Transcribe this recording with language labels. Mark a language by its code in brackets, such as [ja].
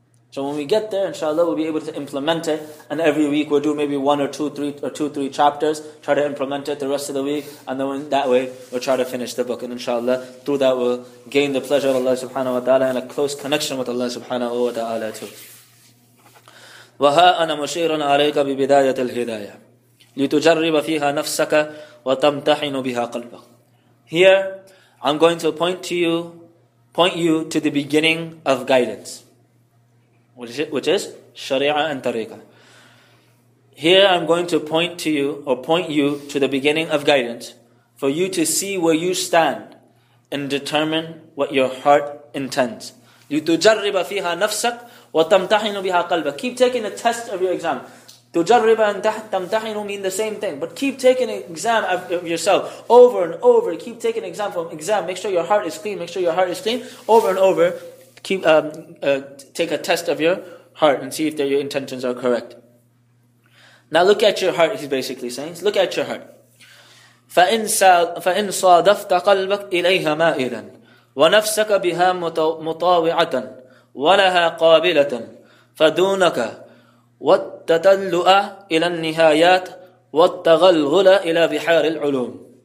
[en] So when we get there, inshallah, we'll be able to implement it. And every week we'll do maybe two, three chapters, try to implement it the rest of the week. And then that way we'll try to finish the book. And inshallah, through that we'll gain the pleasure of Allah subhanahu wa ta'ala and a close connection with Allah subhanahu wa ta'ala too. [ar] وها أنا مشير عليك ببداية الهداية لتجرب فيها نفسك وتمتحن بها قلبك. [en] Here, I'm going to point you to the beginning of guidance, which is Sharia and Tariqah. Here, I'm going to point you to the beginning of guidance for you to see where you stand and determine what your heart intends. [ar] لتجرب فيها نفسك وَتَمْتَحِنُ بِهَا قَلْبَكَ. [en] Keep taking a test of your exam. [ar] تُجَرِّبَ أَنْ تَمْتَحِنُ [en] mean the same thing. But keep taking an exam of yourself over and over. Keep taking an exam from exam. Make sure your heart is clean. Make sure your heart is clean. Over and over, take a test of your heart and see if your intentions are correct. Now look at your heart, he's basically saying. Look at your heart. [ar] فَإِنْ صَادَفْتَ قَلْبَكَ إِلَيْهَ مَائِلًا وَنَفْسَكَ بِهَا مُطَاوِعَةً ولها قابلة فدونك والتتلؤ إلى النهايات والتغلغل إلى بحار العلوم.